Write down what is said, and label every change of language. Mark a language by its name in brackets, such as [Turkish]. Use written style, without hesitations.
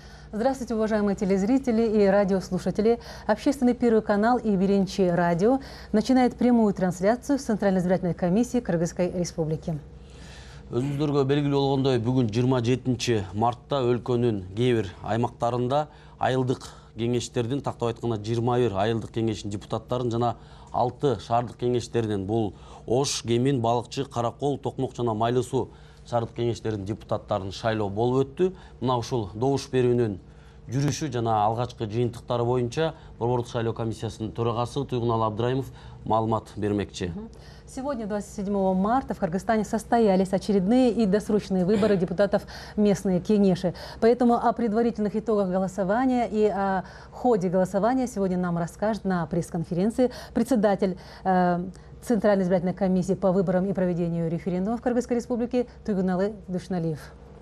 [Russian] Здравствуйте, уважаемые телезрители и радиослушатели. Общественный Первый канал и Беренчи радио начинает прямую трансляцию с Центральной избирательной комиссии Кыргызской Республики. [Kyrgyz] Өзүңдөргө белгилүү болгондой, бүгүн 27 мартта өлкөнүн кээ бир аймактарында айылдык кеңештердин, тактап айтканда 21 айылдык кеңештин депутаттарын жана 6 шаардык кеңештеринин, бул Ош, Кемин, Балыкчы, Каракол, Токмок жана Майлы Суу шаардык кеңештеринин депутаттарын шайлоо болуп өттү. Мына ушул добуш берүүнүн жүрүшү жана алгачкы жыйынтыктары боюнча Борбордук шайлоо комиссиясынын төрагасы Туйгунал Абдраимов маалымат бермекчи. [Russian] Сегодня, 27 марта, в Кыргызстане состоялись очередные и досрочные выборы депутатов местной кеңеши. Поэтому о предварительных итогах голосования и о ходе голосования сегодня нам расскажет на пресс-конференции председатель Центральной избирательной комиссии по выборам и проведению референдума в Кыргызской республике Туйгуналы Душналиев.